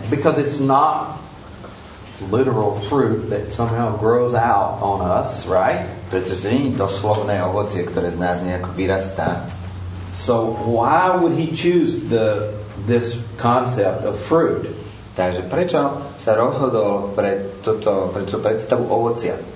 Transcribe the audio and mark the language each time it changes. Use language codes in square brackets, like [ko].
[en] Because it's not literal fruit that somehow grows out on us, right? [sk] Pretože nie je doslovné ovocie, ktoré z nás nejako vyrastá. [en] So why would he choose this concept of fruit? [sk] Takže prečo sa rozhodol pre túto predstavu ovocia?